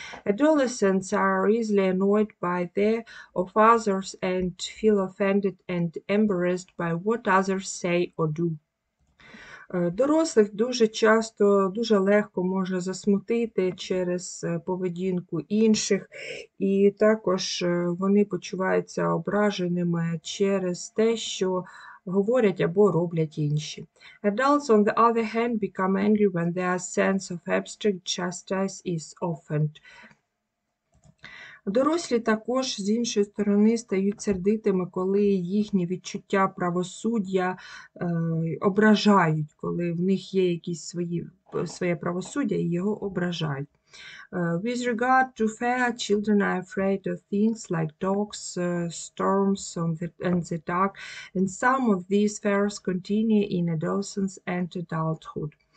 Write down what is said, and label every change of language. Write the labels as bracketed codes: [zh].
[en] Adolescents are easily annoyed by the of others and feel offended and embarrassed by what others say or do. [uk] Дорослих дуже часто, дуже легко може засмутити через поведінку інших, і також вони почуваються ображеними через те, що говорять або роблять інші. [en] Adults, on the other hand, become angry when their sense of abstract justice is offended. [uk] Дорослі також, з іншої сторони, стають сердитими, коли їхні відчуття правосуддя ображають, коли в них є якісь своє правосуддя і його ображають. [en] With regard to fear, children are afraid of things like dogs, storms and the dark, and some of these fears continue in adolescence and adulthood.